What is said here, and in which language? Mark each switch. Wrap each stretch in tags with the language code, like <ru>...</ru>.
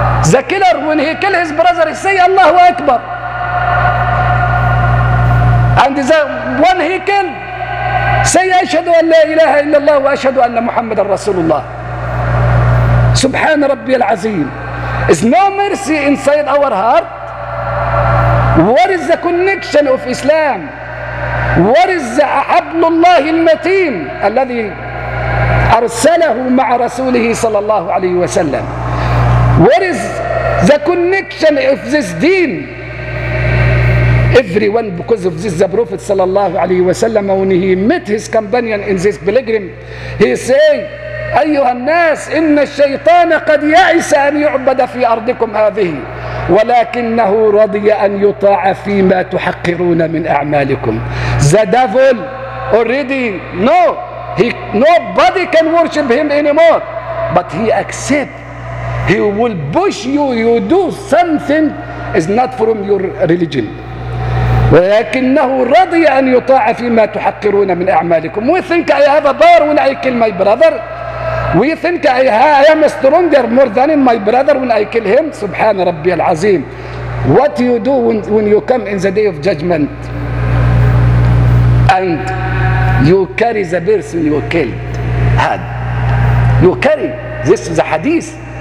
<en>The killer when he kill his brother say Allahu Akbar. And the one he killed say</en> <ar>أشهد أن لا إله إلا الله وأشهد أن محمد رسول الله. سبحان ربي العظيم.</ar> <en>Is no mercy inside our heart? What is the connection of Islam? What is the</en> <ar>حبل الله المتين الذي أرسله مع رسوله صلى الله عليه وسلم?</ar> <en>What is the connection of this deen? Everyone because of this, the Prophet صلى الله عليه وسلم when he met his companion in this pilgrim, he say,</en> <ar>أيها الناس إن الشيطان قد يأس أن يعبد في أرضكم هذه ولكنه رضي أن يطاع فيما تحقرون من أعمالكم.</ar> <en>The devil already know nobody can worship him anymore, but he accept, he will push you do something is not from your religion.</en> <ar>ولكنه رضي أن يطاع فيما تحقرون من أعمالكم.</ar> <en>We think I have a power when I kill my brother. We think I am stronger more than my brother when I kill him.</en> <ar>سبحان ربي العظيم.</ar> <en>What you do when you come in the day of judgment and you carry the person you killed had. You carry. This is a hadith.</en>